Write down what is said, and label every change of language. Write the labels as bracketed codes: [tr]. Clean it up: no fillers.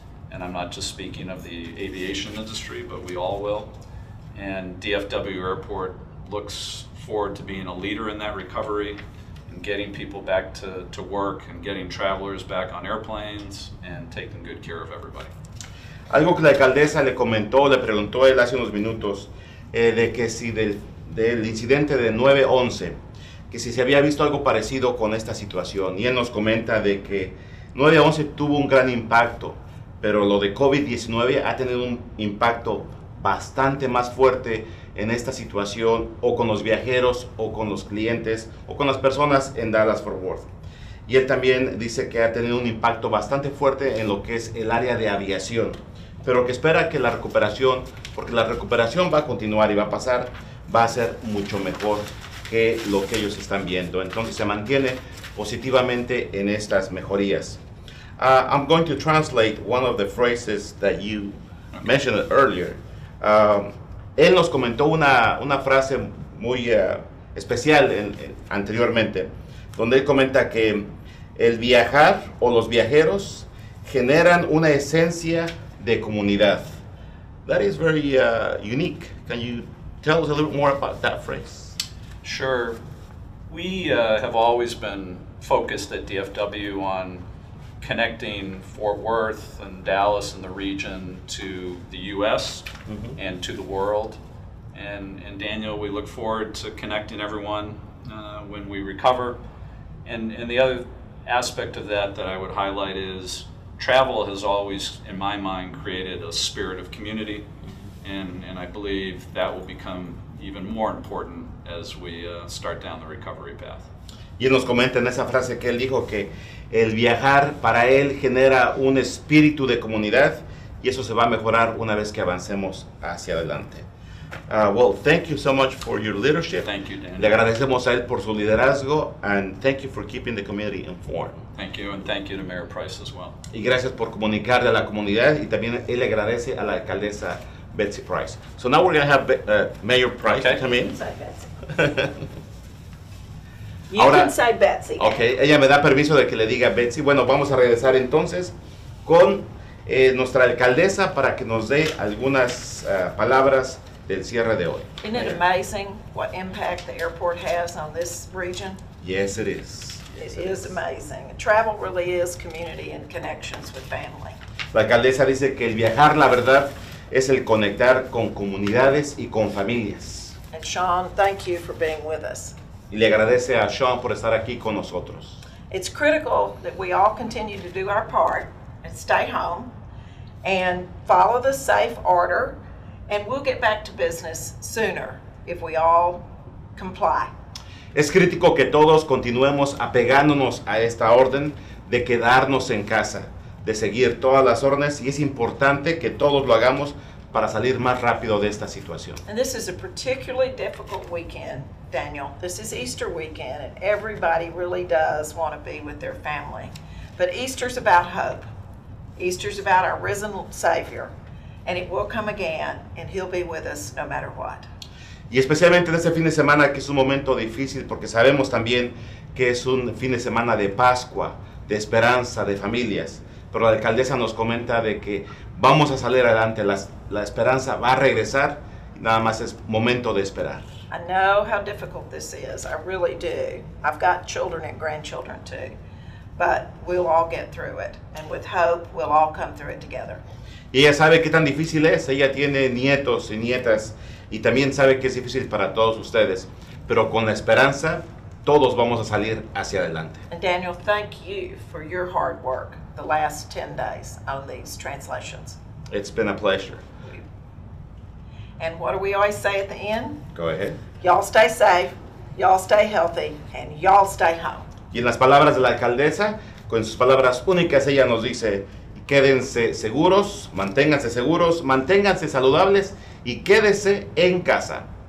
[en] And I'm not just speaking of the aviation industry, but we all will. And DFW Airport looks forward to being a leader in that recovery and getting people back to work and getting travelers back on airplanes and taking good care of everybody. [es] Algo que la alcaldesa le comentó, le preguntó él hace unos minutos, de que si del incidente de 9/11, que si se había visto algo parecido con esta situación. Y él nos comenta de que 9/11 tuvo un gran impacto, pero lo de COVID-19 ha tenido un impacto bastante más fuerte en esta situación, o con los viajeros, o con los clientes, o con las personas en Dallas-Fort Worth. Y él también dice que ha tenido un impacto bastante fuerte en lo que es el área de aviación, pero que espera que la recuperación, porque la recuperación va a continuar y va a pasar, va a ser mucho mejor que lo que ellos están viendo. Entonces se mantiene positivamente en estas mejorías. [en] I'm going to translate one of the phrases that you mentioned earlier. [es] Él nos comentó una frase muy especial anteriormente, donde él comenta que el viajar o los viajeros generan una esencia de comunidad. [en] That is very unique. Can you tell us a little more about that phrase? Sure. We have always been focused at DFW on connecting Fort Worth and Dallas and the region to the U.S. Mm-hmm. and to the world. And Daniel, we look forward to connecting everyone when we recover. And the other aspect of that I would highlight is travel has always, in my mind, created a spirit of community. Mm-hmm. And I believe that will become even more important as we start down the recovery path. [es] Y nos comenta en esa frase que él dijo que el viajar para él genera un espíritu de comunidad, y eso se va a mejorar una vez que avancemos hacia adelante. [en] Well, thank you so much for your leadership. Thank you, Dan. [es] Le agradecemos a él por su liderazgo, [en] and thank you for keeping the community informed. Thank you, and thank you to Mayor Price as well. [es] Y gracias por comunicarle a la comunidad, y también él le agradece a la alcaldesa Betsy Price. [en] So now we're going to have Mayor Price okay. come in. You Ahora, can say Betsy. [es] Okay, ella me da permiso de que le diga Betsy. Bueno, vamos a regresar entonces con nuestra alcaldesa para que nos dé algunas palabras del cierre de hoy. [en] Isn't it amazing what impact the airport has on this region? Yes, it is. It is amazing. Travel really is community and connections with family. [es] La alcaldesa dice que el viajar, la verdad, es el conectar con comunidades y con familias. [en] And Sean, thank you for being with us. [es] Y le agradece a Sean por estar aquí con nosotros. [en] It's critical that we all continue to do our part and stay home and follow the safe order, and we'll get back to business sooner if we all comply. [es] Es crítico que todos continuemos apegándonos a esta orden de quedarnos en casa, de seguir todas las órdenes, y es importante que todos lo hagamos para salir más rápido de esta situación. [en] And this is a particularly difficult weekend, Daniel. This is Easter weekend, and everybody really does want to be with their family. But Easter's about hope. Easter's about our risen Savior, and it will come again, and he'll be with us no matter what. [es] Y especialmente en este fin de semana, que es un momento difícil, porque sabemos también que es un fin de semana de Pascua, de esperanza, de familias. Pero la alcaldesa nos comenta de que vamos a salir adelante, la esperanza va a regresar, nada más es momento de esperar. [en] I know how difficult this is, I really do. I've got children and grandchildren too, but we'll all get through it, and with hope, we'll all come through it together. [es] Y ella sabe qué tan difícil es, ella tiene nietos y nietas, y también sabe que es difícil para todos ustedes, pero con la esperanza, todos vamos a salir hacia adelante. [en] And Daniel, thank you for your hard work the last 10 days on these translations. It's been a pleasure. And what do we always say at the end? Go ahead. Y'all stay safe, y'all stay healthy, and y'all stay home. [es] Y en las palabras de la alcaldesa, con sus palabras únicas, ella nos dice, quédense seguros, manténganse saludables, y quédese en casa.